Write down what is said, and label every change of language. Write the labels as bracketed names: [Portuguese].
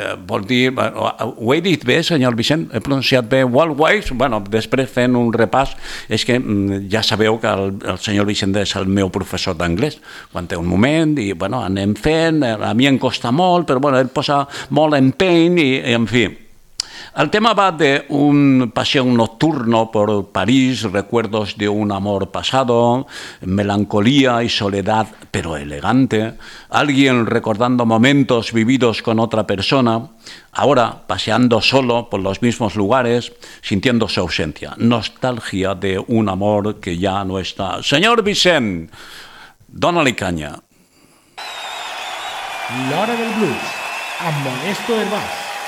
[Catalan] Vol dir, ho he dit bé, senyor Vicent? He pronunciat bé Worldwide? Bueno, després fent un repàs, és que ja sabeu que el senyor Vicent és el meu professor d'anglès. Quan té un moment, i bueno, anem fent, a mi em costa molt, però bueno, ell posa molt empeny, i en fi. [Spanish] El tema va de un paseo nocturno por París, recuerdos de un amor pasado, melancolía y soledad, pero elegante. Alguien recordando momentos vividos con otra persona, ahora paseando solo por los mismos lugares, sintiendo su ausencia. Nostalgia de un amor que ya no está. Señor Vicent, dónale caña. [Catalan] L'hora del blues, amb Modesto Hervás.